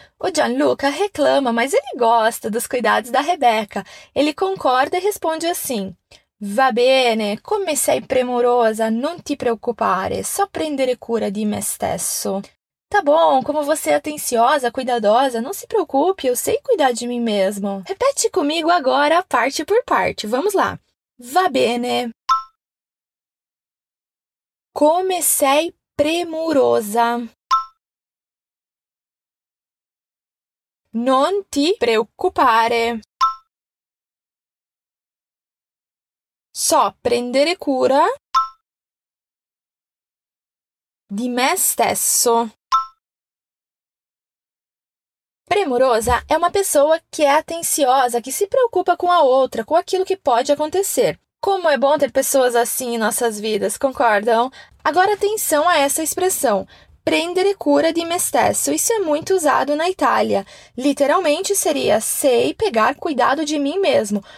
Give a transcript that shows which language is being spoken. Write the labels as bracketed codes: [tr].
[pt] O Gianluca reclama, mas ele gosta dos cuidados da Rebecca. Ele concorda e responde assim. [it] Va bene, come sei premurosa, non ti preoccupare, só prendere cura di me stesso. [pt] Tá bom, como você é atenciosa, cuidadosa, não se preocupe, eu sei cuidar de mim mesmo. Repete comigo agora, parte por parte, vamos lá. [it] Va bene. Come sei premurosa. Non ti preoccupare. Só prendere cura di me stesso. [pt] Premurosa é uma pessoa que é atenciosa, que se preocupa com a outra, com aquilo que pode acontecer. Como é bom ter pessoas assim em nossas vidas, concordam? Agora atenção a essa expressão, [it] prendere cura di me stesso. [pt] Isso é muito usado na Itália. Literalmente seria sei pegar cuidado de mim mesmo.